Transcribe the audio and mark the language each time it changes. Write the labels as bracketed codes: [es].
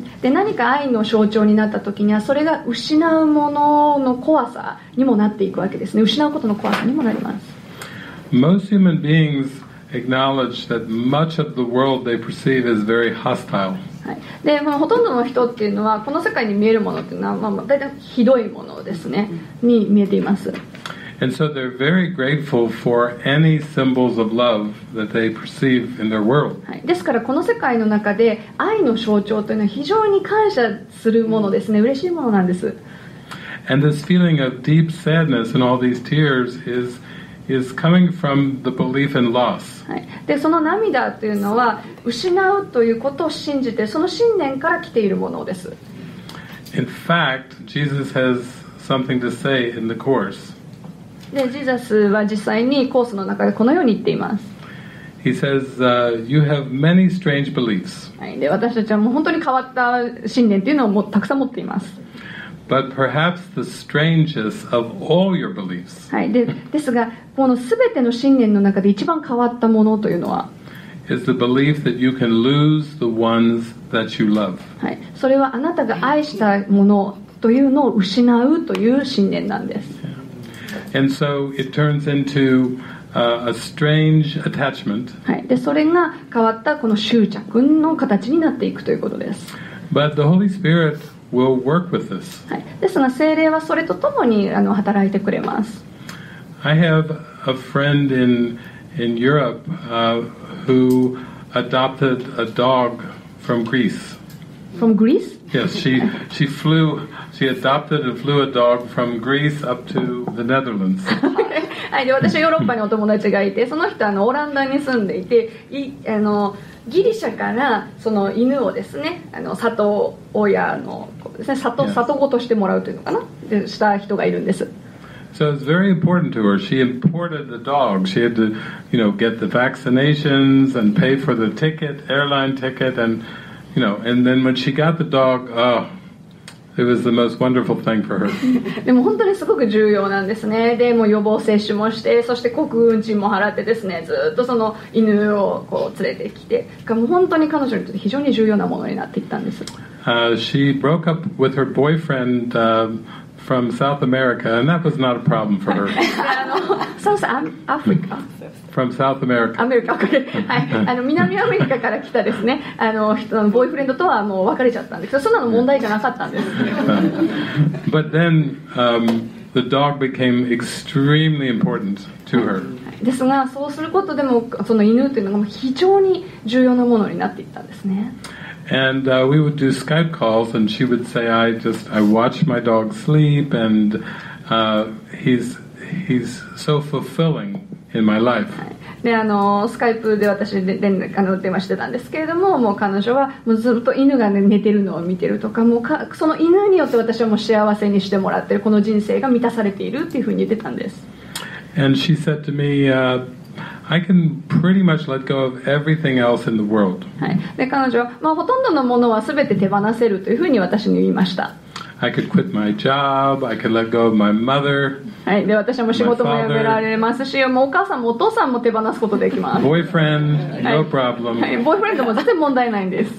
[ja] で、何か愛の象徴になった時には、それが失うものの怖さにもなっていくわけですね。失うことの怖さにもなります。 [en] Most human beings acknowledge that much of the world they perceive is very hostile. [ja] はい。で、まあ、ほとんどの人っていうのは、この世界に見えるものっていうのは、まあ、大体ひどいものですね、に見えています。 [en] And so they're very grateful for any symbols of love that they perceive in their world. [ja] はい。ですからこの世界の中で愛の象徴というのは非常に感謝するものですね。嬉しいものなんです。 [en] And this feeling of deep sadness and all these tears is coming from the belief in loss. [ja] はい。で、その涙というのは失うということを信じてその信念から来ているものです。 [en] In fact, Jesus has something to say in the course. [ja] でジーザスは実際にコースの中でこのように言っています。 [en] He says, you have many strange beliefs. [ja] はい、で私たちはもう本当に変わった信念というのをもうたくさん持っています。 [en] But perhaps the strangest of all your beliefs. [ja] はい、ですがこの全ての信念の中で一番変わったものというのは [en] is the belief that you can lose the ones that you love. [ja] はい、それはあなたが愛したものというのを失うという信念なんです。 [en] And so it turns into a strange attachment. [ja] はい。で、それが変わったこの執着の形になっていくということです。 [en] But the Holy Spirit will work with this. [ja] はい。ですが、聖霊はそれとともに働いてくれます。 [en] I have a friend in Europe, who adopted a dog from Greece. From Greece? Yes, she flew. She adopted and flew a dog from Greece up to the Netherlands. [ja] はい、で、私はヨーロッパにお友達がいて、その人はオランダに住んでいて、ギリシャからその犬をですね、里親のですね、里子としてもらうというのかな、でした人がいるんです。 [en] So it's very important to her. She imported the dog. She had to, you know, get the vaccinations and pay for the ticket, airline ticket, and you know, and then when she got the dog, It was the most wonderful thing for her. [ja] でも本当にすごく重要なんですね。でも予防接種もして、そして航空運賃も払ってですね、ずっとその犬をこう連れてきて、もう本当に彼女にとって非常に重要なものになっていったんです。 [en] She broke up with her boyfriend, from South America, and that was not a problem for her. South Africa. From South America. America, okay. [ja] 南アメリカから来たですね。ボーイフレンドとはもう別れちゃったんですけど、そんなの問題じゃなかったんです。 [en] But then, the dog became extremely important to her. [ja] ですが、そうすることでも、その犬というのが非常に重要なものになっていったんですね。 [en] And we would do Skype calls, and she would say, I watch my dog sleep, and he's so fulfilling in my life. [ja] で、スカイプで私電話してたんですけれども、もう彼女はもうずっと犬が、ね、寝てるのを見てるとか、もうかその犬によって私はもう幸せにしてもらってる、この人生が満たされているっていうふうに言ってたんです。 [en] And she said to me, I can pretty much let go of everything else in the world. [ja] で、彼女は、まあ、ほとんどのものは全て手放せるというふうに私に言いました。 [en] I could quit my job. I could let go of my mother. [ja] はい。で、私も仕事も辞められますし、もうお母さんもお父さんも手放すことできます。 [en] Boyfriend, no problem. [ja] はい。ボーイフレンドも全然問題ないんです。